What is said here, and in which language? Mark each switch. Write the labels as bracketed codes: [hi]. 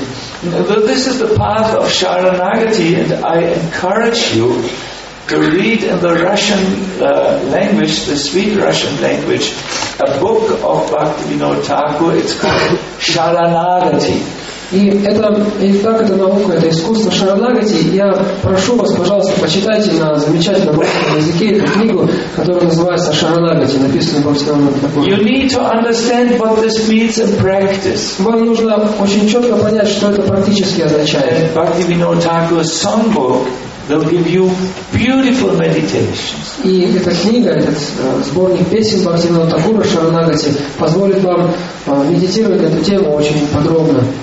[en] This is the path of Sharanagati, and I encourage you to read in the Russian language, the sweet Russian language, a book of Бхактивинода Тхакур. It's called Sharanagati. [ru] И это, и так это наука, это искусство Шаранагати. Я прошу вас, пожалуйста, почитайте на замечательном русском языке эту книгу, которая называется Шаранагати, написанную Бхактивинода Тхакур. [en] You need to understand what this means in practice. [ru] Вам нужно очень четко понять, что это практически означает. [en] Бхактивинода Тхакур's songbook will give you beautiful meditations. [ru] И эта книга, этот сборник песен Бхактивинода Тхакура Шаранагати позволит вам медитировать эту тему очень подробно.